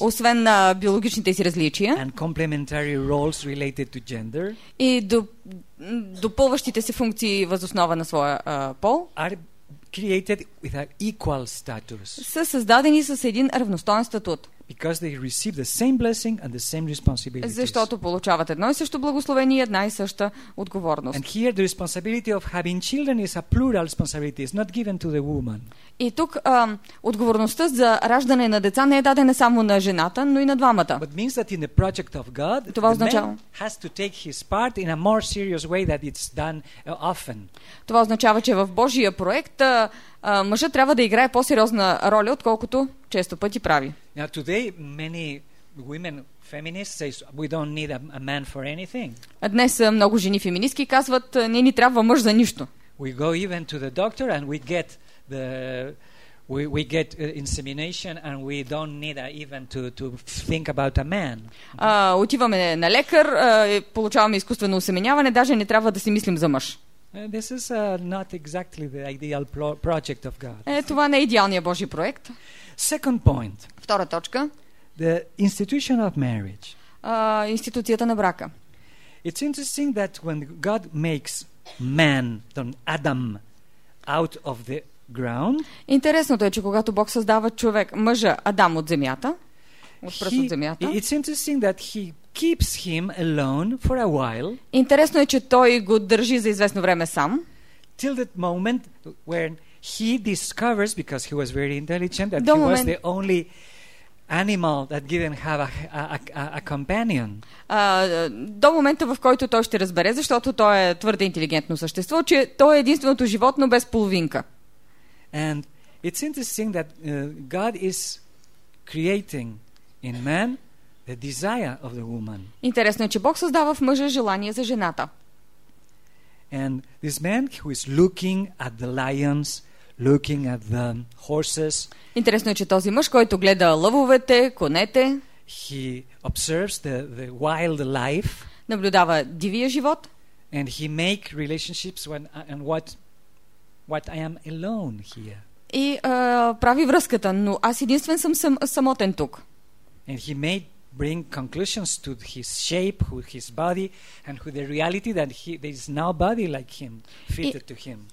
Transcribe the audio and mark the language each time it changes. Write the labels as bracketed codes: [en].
[bg] освен на биологичните си различия [en] and complementary roles related to gender, [bg] и допълващите се функции въз основа на своя пол, [en] are created with an equal status. [bg] Са създадени с един равностоен статут. [en] Because they receive the same blessing and the same responsibilities. [bg] Защото получават едно и също благословение и една и съща отговорност. [en] And here the responsibility of having children is a plural responsibility. It's not given to the woman. [bg] И тук отговорността за раждане на деца не е дадена само на жената, но и на двамата. [en] But means that in the project of God, [bg] това означава, [en] the man has to take his part in a more serious way than it's done often. [bg] Това означава, че в Божия проект мъжът трябва да играе по-сериозна роля, отколкото често пъти прави. [en] Now today many women feminists say we don't need a man for anything. [bg] Днес много жени феминистки казват, не ни трябва мъж за нищо. [en] We go even to the doctor and we get the we get insemination and we don't need even to think about a man. [bg] Отиваме на лекар, получаваме изкуствено осеменяване, даже не трябва да си мислим за мъж. [en] This is not exactly the ideal project of God. [bg] Това не е идеалният Божий проект. [en] Second point. [bg] Втора точка. [en] The institution of marriage. [bg] Институцията на брака. [en] It's interesting that when God makes man, then Adam, out of the ground. [bg] Интересното е, че когато Бог създава човек, мъжа Адам от земята, от пръст от земята. [en] It's interesting that he keeps him alone for a while. [bg] Интересно е, че той го държи за известно време сам. [en] Till that moment when he discovers, because he was very intelligent, that he was the only animal that didn't have a companion. [bg] До момента, в който той ще разбере, защото той е твърде интелигентно същество, че той е единственото животно без половинка. [en] And it's interesting that God is creating in man the desire of the woman. [bg] Интересно е, че Бог създава в мъжа желание за жената. [en] And this man who is looking at the lions, looking at the horses. [bg] Интересно е, че този мъж, който гледа лъвовете, конете, [en] he observes the wild life. [bg] Наблюдава дивия живот. [en] And he make relationships when I am alone here. [bg] И прави връзката, но аз единствен съм самотен тук. [en] And he may bring conclusions to his shape, who his body, and who the reality that he, there is no body like him, fitted to him.